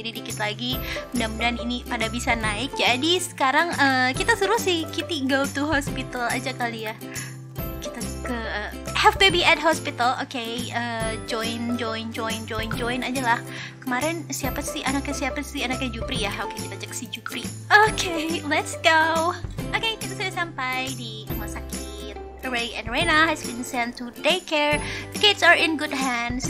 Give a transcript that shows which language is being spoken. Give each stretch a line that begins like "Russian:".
Indonesian: Jadi dikit lagi, mudah-mudahan ini pada bisa naik. Jadi sekarang kita suruh si Kitty
English: go to hospital
Indonesian: aja kali ya. Kita ke
English: have baby at hospital.
Indonesian: Okay, join aja lah. Kemarin siapa sih anaknya, Jupri ya. Okay, kita cek si Jupri.
English: Okay, let's go.
Indonesian: Okay, kita sudah sampai di rumah sakit.
English: Ray and Reina has been sent to daycare. The kids are in good hands.